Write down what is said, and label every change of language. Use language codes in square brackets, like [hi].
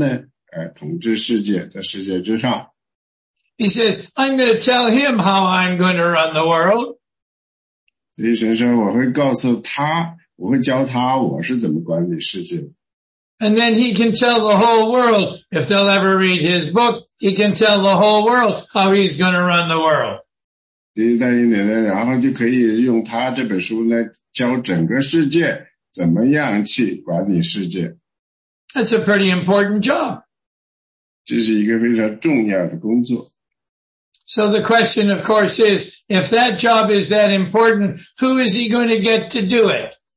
[zh] 神有一个计划，计划呢，他说呢，他会让但以理，让他呢，统治世界，在世界之上。 [en] He says, I'm going to tell him how I'm going to run the world. [zh] 所以神说，我会告诉他，我会教他我是怎么管理世界。And [en] then he can tell the whole world, if they'll ever read his book, he can tell the whole world how he's going to run the world. [zh] 第一代一年，然后就可以用他这本书来教整个世界怎么样去管理世界。That's [en] a pretty important job. [zh] 这是一个非常重要的工作。 [en] So the question, of course, is, if that job is that important, who is he going to get to do it?